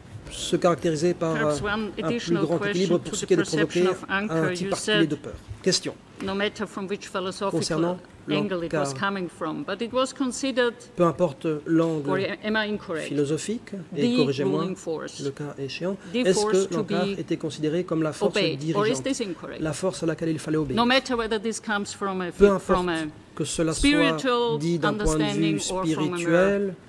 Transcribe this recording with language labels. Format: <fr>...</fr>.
<fr>Se caractériser par un plus grand équilibre pour ce qui est de provoquer un type particulier de peur. Question.</fr> <en>No matter from which philosophical angle it was coming from, but it was considered.</en> <fr>Peu importe l'angle philosophique, et corrigez-moi le cas échéant, est-ce que l'Ankar était considéré comme la force dirigeante, la force à laquelle il fallait obéir?</fr> <en>No matter whether this comes from a</en> <fr>peu importe que cela soit dit d'un point de vue spirituel</fr>